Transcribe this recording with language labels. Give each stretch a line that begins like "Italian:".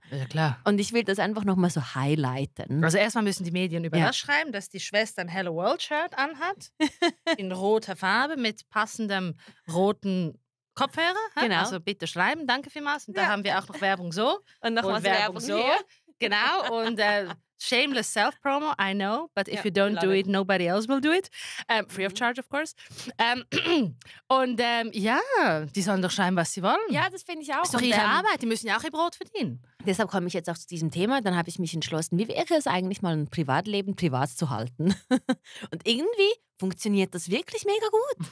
German: Ja, klar. Und ich will das einfach nochmal so highlighten. Also erstmal müssen die Medien über das schreiben, dass die Schwester ein Hello World Shirt anhat, in roter Farbe mit passendem roten Kopfhörer. Genau. Also bitte schreiben, danke vielmals. Und da haben wir auch noch Werbung so. Und noch was Werbung so. Hier. Genau, und
English: shameless self-promo, I know, but if you don't do it, nobody else will do it. Free of charge, of course.
German: Und die sollen doch schreiben, was sie wollen. Ja, das finde ich auch. Ist doch ihre Arbeit, die müssen ja auch ihr Brot verdienen. Deshalb komme ich jetzt auch zu diesem Thema. Dann habe ich mich entschlossen, wie wäre es eigentlich mal ein Privatleben privat zu halten? Und irgendwie funktioniert das wirklich mega gut.